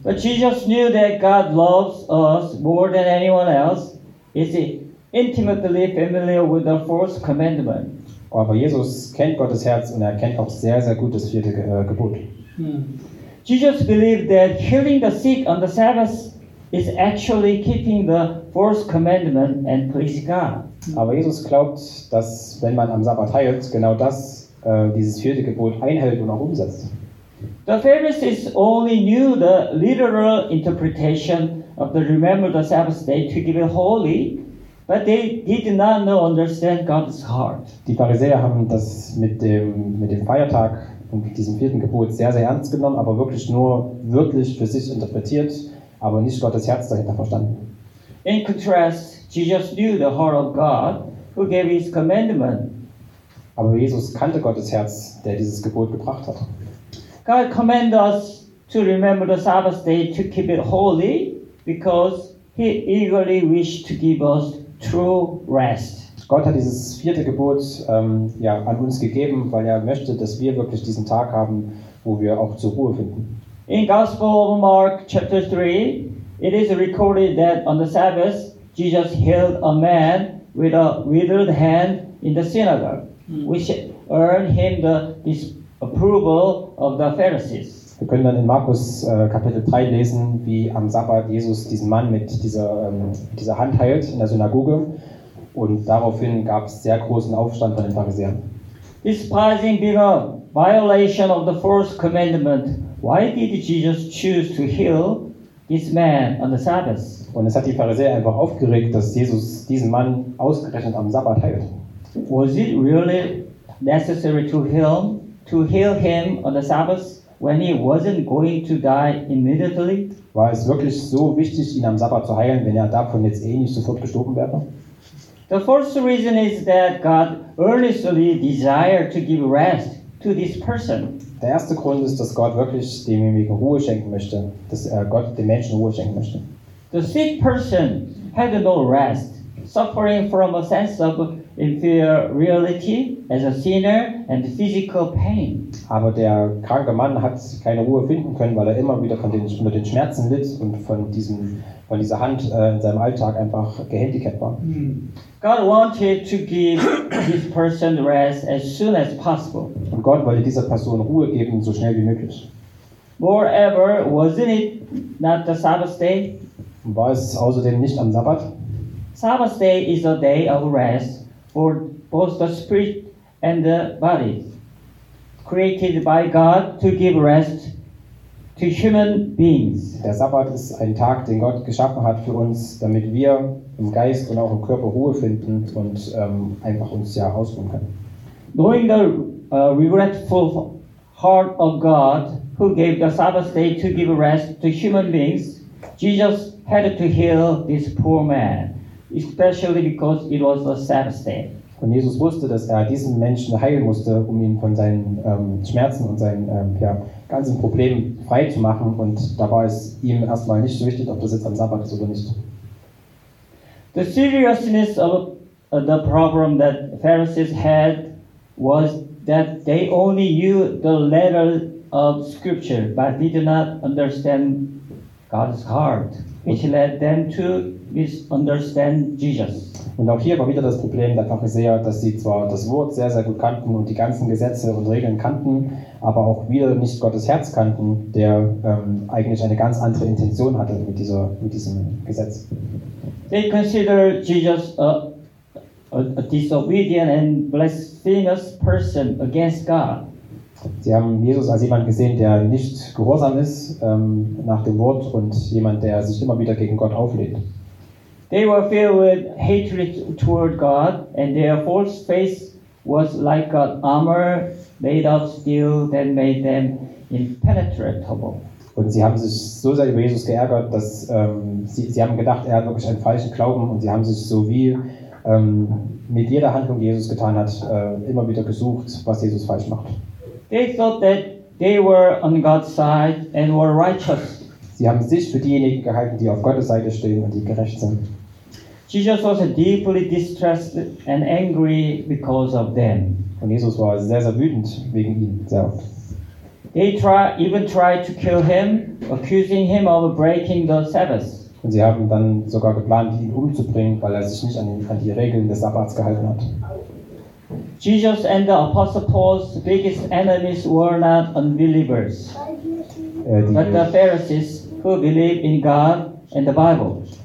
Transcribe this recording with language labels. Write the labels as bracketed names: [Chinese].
[English] But Jesus knew that God loves us more than anyone else. Is it? Intimately familiar with the fourth commandment. [German] Aber Jesus kennt Gottes Herz und er kennt auch sehr, sehr gut das vierte Gebot. [English] Jesus believed that healing the sick on the Sabbath is actually keeping the fourth commandment and please God. [German] Aber Jesus glaubt, dass wenn man am Sabbat heilt, genau das dieses vierte Gebot einhält und auch umsetzt. [English] The Pharisees only knew the literal interpretation of the remember the Sabbath day to keep it holy. But they did not know, understand God's heart. [German] Die Pharisäer haben das mit dem Feiertag und diesem vierten Gebot sehr, sehr ernst genommen, aber wirklich nur wirklich für sich interpretiert, aber nicht Gottes Herz dahinter verstanden. [English] In contrast, Jesus knew the heart of God who gave his commandment. [German] Aber Jesus kannte Gottes Herz, der dieses Gebot gebracht hat. [English] God commanded us to remember the Sabbath day to keep it holy because He eagerly wished to give us true rest. [German] Gott hat dieses vierte Gebot ja, an uns gegeben, weil er möchte, dass wir wirklich diesen Tag haben, wo wir auch zur Ruhe finden. [English] In Gospel of Mark chapter 3, it is recorded that on the Sabbath, Jesus healed a man with a withered hand in the synagogue, which earned him the disapproval of the Pharisees. [German] Wir können dann in Markus Kapitel 3 lesen, wie am Sabbat Jesus diesen Mann mit dieser Hand heilt in der Synagoge. Und daraufhin gab es sehr großen Aufstand von den Pharisäern. [English] Despising being a violation of the fourth commandment, why did Jesus choose to heal this man on the Sabbath? [German] Und es hat die Pharisäer einfach aufgeregt, dass Jesus diesen Mann ausgerechnet am Sabbat heilt. [English] Was it really necessary to heal him on the Sabbath? When he wasn't going to die immediately? [German] War es wirklich so wichtig, ihn am Sabbat zu heilen, wenn er davon jetzt eh nicht sofort gestorben wäre? [English] The fourth reason is that God earnestly desired to give rest to this person. [German] Der erste Grund ist, dass Gott wirklich demjenigen Ruhe schenken möchte, dass Gott dem Menschen Ruhe schenken möchte. [English] The sick person had no rest, suffering from a sense of inferiority as a sinner and physical pain. [German] Aber der kranke Mann hat keine Ruhe finden können, weil er immer wieder unter den Schmerzen litt und von dieser Hand in seinem Alltag einfach gehandicapt war. [English] God wanted to give this person rest as soon as possible. [German] Und Gott wollte dieser Person Ruhe geben, so schnell wie möglich. [English] Moreover, wasn't it not the Sabbath day? [German] War es außerdem nicht am Sabbat? [English] Sabbath day is a day of rest for both the spirit and the body, created by God to give rest to human beings. [German] Der Sabbat ist ein Tag, den Gott geschaffen hat für uns, damit wir im Geist und auch im Körper Ruhe finden und einfach uns ja ausruhen können. [English] Knowing the regretful heart of God who gave the Sabbath day to give rest to human beings, Jesus had to heal this poor man, especially because it was a Sabbath day. [German] Und Jesus wusste, dass er diesen Menschen heilen musste, um ihn von seinen Schmerzen und seinen ja, ganzen Problemen frei zu machen. Und da war es ihm erstmal nicht so wichtig, ob das jetzt am Sabbat ist oder nicht. [English] The seriousness of the problem that Pharisees had was that they only knew the letter of scripture, but they did not understand God's heart, which led them to misunderstand Jesus. [German] Und auch hier war wieder das Problem der Pharisäer, dass sie zwar das Wort sehr, sehr gut kannten und die ganzen Gesetze und Regeln kannten, aber auch wieder nicht Gottes Herz kannten, der eigentlich eine ganz andere Intention hatte mit dieser, mit diesem Gesetz. [English] They consider Jesus a disobedient and blasphemous person against God. [German] Sie haben Jesus als jemand gesehen, der nicht gehorsam ist nach dem Wort und jemand, der sich immer wieder gegen Gott auflehnt. [English] They were filled with hatred toward God, and their false faith was like an armor made of steel that made them impenetrable. [German] Und sie haben sich so sehr über Jesus geärgert, dass sie haben gedacht, er hat wirklich einen falschen Glauben, und sie haben sich so wie mit jeder Handlung, die Jesus getan hat, immer wieder gesucht, was Jesus falsch macht. [English] They thought that they were on God's side and were righteous. [German] Sie haben sich für diejenigen gehalten, die auf Gottes Seite stehen und die gerecht sind. [English] Jesus was deeply distressed and angry because of them. [German] Und Jesus war sehr, sehr wütend wegen ihnen selbst. [English] They tried to kill him, accusing him of breaking the Sabbath. [German] Und sie haben dann sogar geplant, ihn umzubringen, weil er sich nicht an die Regeln des Sabbats gehalten hat. [English] Jesus and the Apostle Paul's biggest enemies were not unbelievers, but the Pharisees who believed in God and the Bible.